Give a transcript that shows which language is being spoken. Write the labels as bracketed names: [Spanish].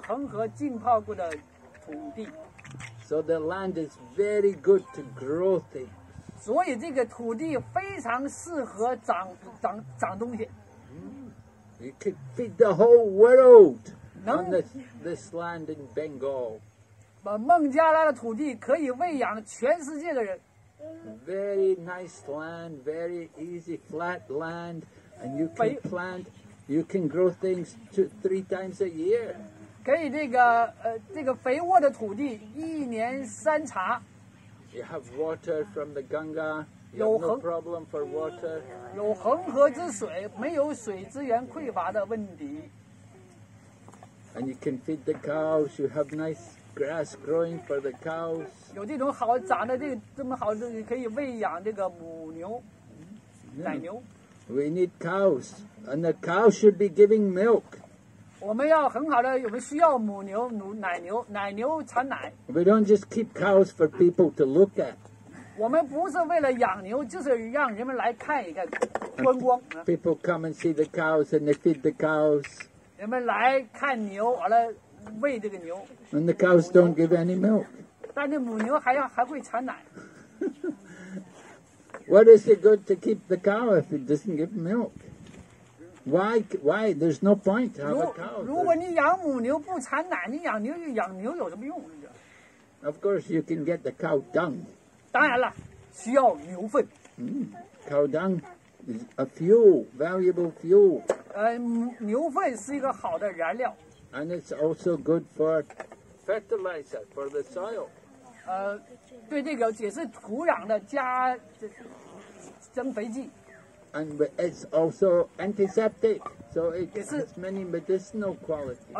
[Chinese] 所以这个玛雅坡是一个非常美的地方，一切周围所遇都是恒河流经的地方，都是恒河浸泡过的土地。 [English] So the land is very good to grow things. [Chinese] 所以这个土地非常适合长东西。 [English] You could feed the whole world on this land in Bengal. [Chinese] 孟加拉的土地可以喂养全世界的人。 [English] Very nice land, very easy flat land, and you can plant, you can grow things three times a year. [Chinese] 可以这个肥沃的土地一年三茶。 [English] You have water from the Ganga. You have no problem for water. [Chinese] 有恒河之水，没有水资源匮乏的问题。 [English] And you can feed the cows. You have nice grass growing for the cows. [Chinese] 有这种好长的这么好的，可以喂养这个母牛、奶牛。 [English] We need cows, and the cows should be giving milk. [Chinese] 我们要很好的，我们需要母牛、奶牛产奶。 [English] We don't just keep cows for people to look at. [Chinese] 我们不是为了养牛，就是让人们来看一看，观光。 [English] People come and see the cows, and they feed the cows. [Chinese] 人们来看牛，完了喂这个牛。 [English] And the cows don't give any milk. [Chinese] 但是母牛还会产奶。 [English] What is it good to keep the cow if it doesn't give milk? Why? There's no point to have a cow. [Chinese] 如果你养母牛不产奶，你养牛有什么用？ [English] Of course, you can get the cow dung. [Chinese] 当然了，需要牛粪。 [English] Cow dung is a fuel, valuable fuel. [Chinese] 牛粪是一个好的燃料。 [English] And it's also good for fertilizer for the soil. [Chinese] 对这个也是土壤的加增肥剂。 [English] And it's also antiseptic, so it has many medicinal qualities.